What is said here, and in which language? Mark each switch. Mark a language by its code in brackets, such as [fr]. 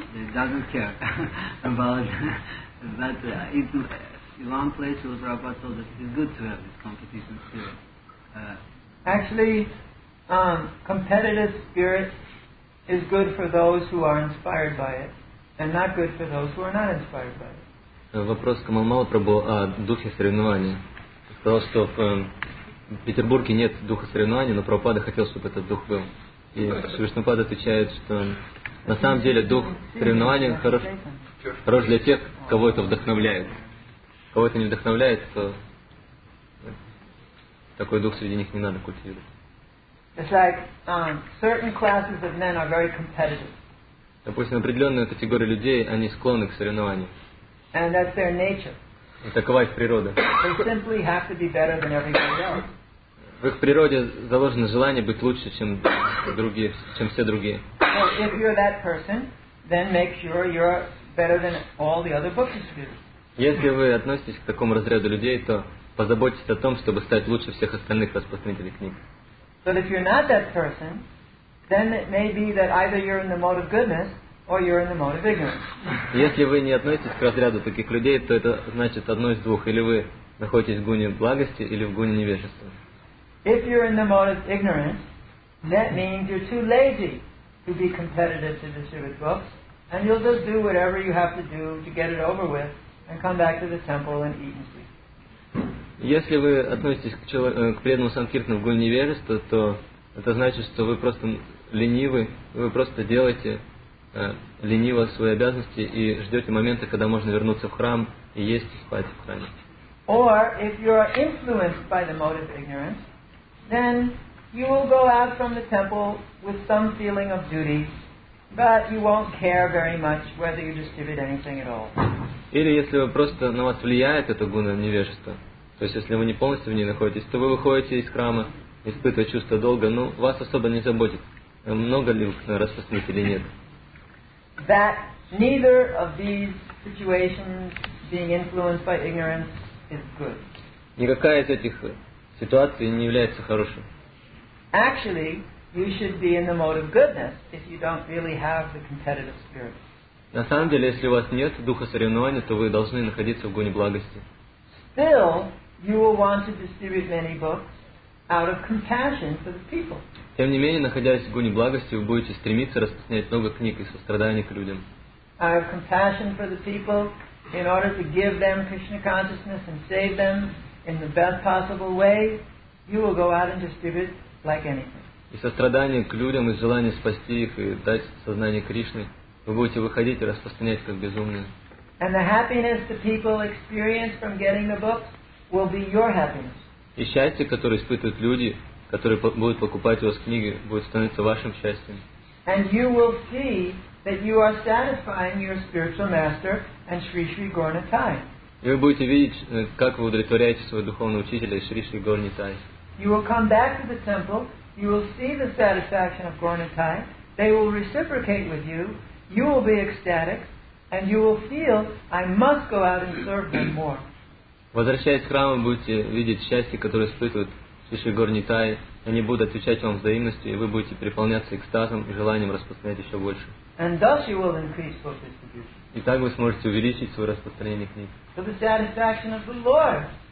[en] They doesn't care about. But in one place, Srila Prabhupada told that it is good to have this competition spirit. Actually, competitive spirit is good for those who are inspired by it, and not good for those who are not inspired by it. [ru] Вопрос к Малмалапрабху о духе соревнования. Сказал, что в Петербурге нет духа соревнования, но Прабхупада хотел, чтобы этот дух был. И Вишнупад отвечает, что на самом деле дух соревнования хорош. Хорош для тех, кого это вдохновляет. Кого это не вдохновляет, то такой дух среди них не надо культивировать. [en] It's like, certain classes of men are very competitive. [ru] Допустим, определенные категории людей, они склонны к соревнованиям. [en] And that's their nature. [ru] И такова их природа. [en] They simply have to be better than everybody else. [ru] В их природе заложено желание быть лучше, чем другие, чем все другие. [en] So if you're that person, then make sure you're better than all the other book distributors. [ru] Если вы относитесь к такому разряду людей, то позаботьтесь о том, чтобы стать лучше всех остальных распространителей книг. [en] But if you're not that person, then it may be that either you're in the mode of goodness or you're in the mode of ignorance. [ru] Если вы не относитесь к разряду таких людей, то это значит одно из двух: или вы находитесь в гуне благости, или в гуне невежества. [en] If you're in the mode of ignorance, that means you're too lazy to be competitive to distribute books, and you'll just do whatever you have to do to get it over with and come back to the temple and eat and sleep. [ru] Если вы относитесь к преданному санкиртану в гуне невежества, то это значит, что вы просто ленивы, вы просто делаете лениво свои обязанности и ждете момента, когда можно вернуться в храм и есть и спать в храме. [en] Or if you are influenced by the mode of ignorance, then you will go out from the temple with some feeling of duty, but you won't care very much whether you distribute anything at all. [ru] Или если вы просто на вас влияет это гуна невежества, то есть если вы не полностью в ней находитесь, то вы выходите из храма, испытывая чувство долга, но вас особо не заботит, много ли вы распространите или нет. [en] That neither of these situations, being influenced by ignorance, is good. [ru] Никакая из этих ситуаций не является хорошей. [en] Actually, you should be in the mode of goodness if you don't really have the competitive spirit. [ru] На самом деле, если у вас нет духа соревнования, то вы должны находиться в гуне благости. [en] Still, you will want to distribute many books out of compassion for the people. [ru] Тем не менее, находясь в гуне благости, вы будете стремиться распространять много книг из сострадания к людям. [en] Out of compassion for the people, in order to give them Krishna consciousness and save them in the best possible way, you will go out and distribute like anything. [ru] Из сострадания к людям, из желания спасти их и дать сознание Кришны, вы будете выходить и распространять как безумные. [en] And the happiness the people experience from getting the books will be your happiness. [ru] И счастье, которое испытывают люди, которые будут покупать у вас книги, будет становиться вашим счастьем. [en] And you will see that you are satisfying your spiritual master and Sri Sri Gaura-Nitai. [ru] И вы будете видеть, как вы удовлетворяете своего духовного учителя Шри Шри Гаура-Нитай. [en] You will come back to the temple, you will see the satisfaction of Gaura-Nitai, they will reciprocate with you, you will be ecstatic, and you will feel, I must go out and serve them more. [ru] Возвращаясь в храм, вы будете видеть счастье, которое испытывают Шри Шри Гаура-Нитай, они будут отвечать вам взаимностью, и вы будете переполняться экстазом и желанием распространять еще больше. [en] And thus you will increase book distribution. [ru] И так вы сможете увеличить свое распространение книг. [en] For the satisfaction of the Lord.